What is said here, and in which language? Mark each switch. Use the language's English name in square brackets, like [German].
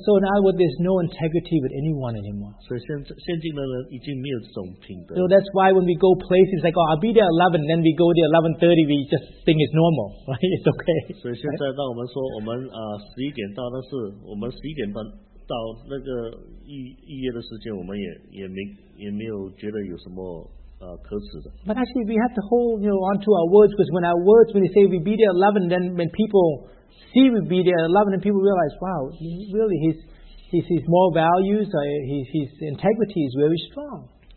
[English] So now with there's no integrity with anyone anymore. [Chinese] 所以现今的人已经没有这种品德。 [English] So that's why when we go places, like, oh, I'll be there at 11, then we go there at 11:30, we just think it's normal, right? It's okay. [Chinese] 所以现在当我们说我们 11点到，但是我们11点半到那个预约的时间，我们也没有觉得有什么。 [English] But actually, we have to hold, you know, onto our words, because when our words, when they say we be there at 11, then when people see we be there at 11, then people realize, wow, really, his moral values, his integrity is very strong.